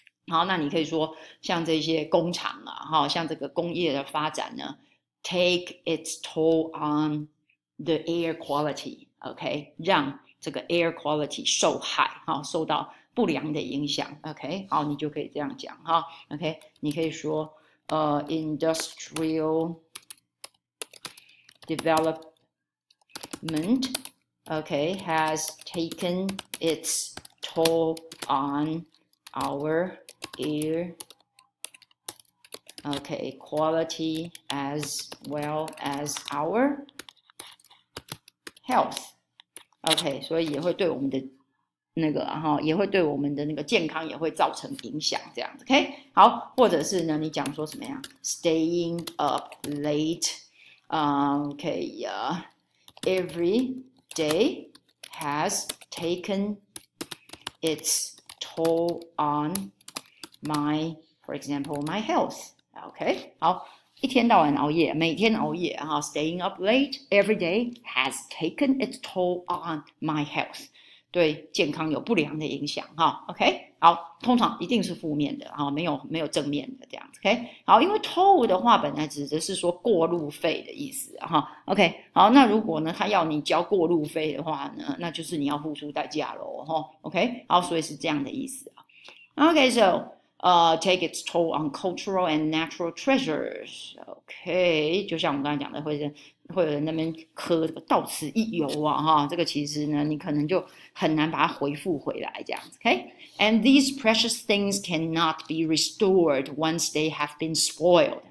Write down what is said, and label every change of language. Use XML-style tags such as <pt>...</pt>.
<zh>好，那你可以说像这些工厂啊，哈，像这个工业的发展呢 ，</zh> <en>take its toll on the air quality, OK?</en> <zh>让这个 air quality 受害，哈，受到不良的影响 ，OK? 好，你就可以这样讲，哈 ，OK? 你可以说。</zh> <en>Industrial development, okay, has taken its toll on our air, okay, quality as well as our health.</en> <zh>OK，所以也会对我们的那个，也会对我们的那个健康也会造成影响，这样子。 OK，好，或者是呢，你讲说什么呀？</zh> <en>Staying up late. Every day has taken its toll on my, for example, my health.</en> <zh>OK，好，一天到晚熬夜，每天熬夜哈，</zh> <en>staying up late every day has taken its toll on my health，</en> <zh>对健康有不良的影响哈。 OK，好，通常一定是负面的哈，没有正面的这样子。 OK，好，因为 toll 的话本来指的是说过路费的意思哈。 OK，好，那如果呢，他要你交过路费的话呢，那就是你要付出代价喽哈。 OK，好，所以是这样的意思啊。</zh> <en>OK，so。 Take its toll on cultural and natural treasures.</en> <zh>OK，就像我们刚才讲的，会有人那边刻这个到此一游啊，哈，这个其实呢，你可能就很难把它回复回来这样子。</zh> <en>OK，And these precious things cannot be restored once they have been spoiled.</en>